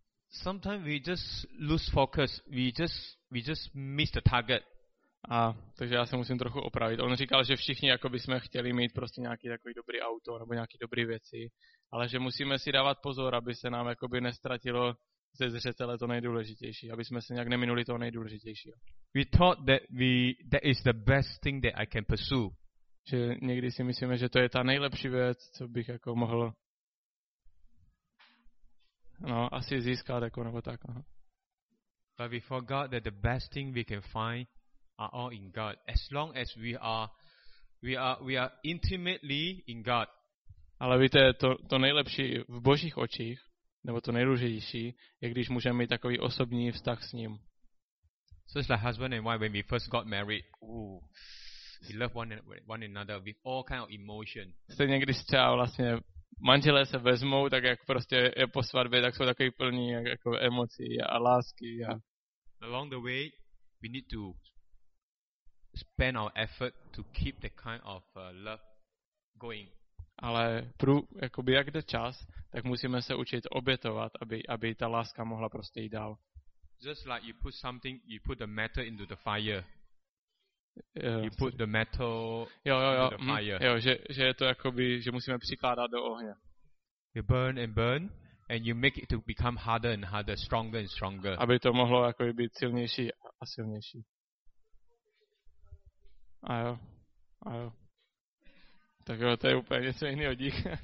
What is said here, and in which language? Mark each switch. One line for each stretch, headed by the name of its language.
English: Sometimes we just lose focus. We just miss the target.
Czech: A takže já se musím trochu opravit. On říkal, že všichni jako by jsme chtěli mít prostě nějaký takový dobrý auto nebo nějaký dobrý věci, ale že musíme si dávat pozor, aby se nám jako by nestratilo ze zřetele to nejdůležitější, aby jsme se nějak neminuli toho nejdůležitějšího.
English: We thought that is the best thing that I can pursue.
Czech: Že někdy si myslíme, že to je ta nejlepší věc, co bych jako mohl asi získat jako nebo tak. No.
English: But we forgot that the best thing we can find are all in God. As long as we are intimately in God.
Czech: Ale víte, to nejlepší v Božích očích, nebo to nejdůležitější, je když můžeme mít takový osobní vztah s ním.
English: So it's like husband and wife when we first got married. We love one another with all kind of emotion.
Czech: Stejně když třeba vlastně manželé se vezmou, tak jak prostě je po svatbě, tak jsou takový plní jako emocí a lásky. A
English: along the way, we need to spend our effort to keep the kind of love going.
Czech: Ale jakoby jak jde čas, tak musíme se učit obětovat, aby ta láska mohla prostě jít dál.
English: Just like you put something, you put the metal into the fire. You put the metal in the fire.
Czech: Jo, že je to jakoby, že musíme přikládat do ohně.
English: You burn and burn, and you make it to become harder and harder, stronger and stronger.
Czech: Aby to mohlo jakoby být silnější a silnější. A jo. Tak jo, to je úplně něco jiného, dík.